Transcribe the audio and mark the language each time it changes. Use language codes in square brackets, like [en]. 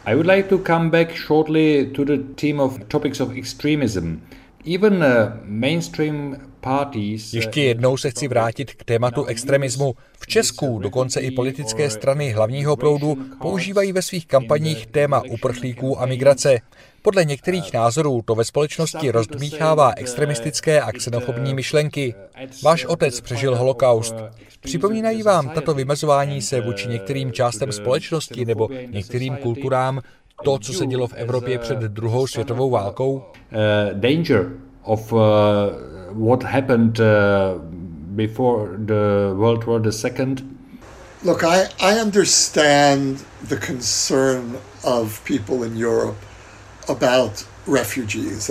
[en] I would like to come back shortly to the theme of topics of extremism. Even mainstream parties. [cs] Ještě jednou se chci vrátit k tématu extremismu. V Česku dokonce i politické strany hlavního proudu používají ve svých kampaních téma uprchlíků a migrace. Podle některých názorů to ve společnosti rozdmíchává extremistické a xenofobní myšlenky. Váš otec přežil holokaust. Připomínají vám tato vymezování se vůči některým částem společnosti nebo některým kulturám to, co se dělo v Evropě před druhou světovou válkou? [en] Danger of what happened before the World War II. Look, I understand the concern of people in Europe about refugees.